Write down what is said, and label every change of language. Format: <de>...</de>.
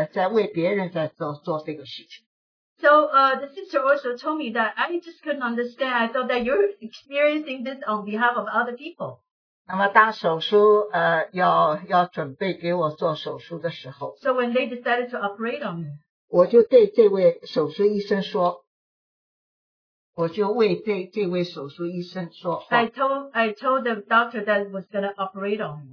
<zh>姊妹告诉我，她说我怎么一点看不出你好像是在别跟别人在为别人在做这个事情。So</zh> <en>the sister also told me that I just couldn't understand. I thought that you're experiencing this on behalf of other people.</en> <zh>那么当手术要准备给我做手术的时候，So</zh> <en>when they decided to operate on me,</en> <zh>我就对这位手术医生说。我就为这位手术医生说话。</zh> <en>I told the doctor that was going to operate on me.</en>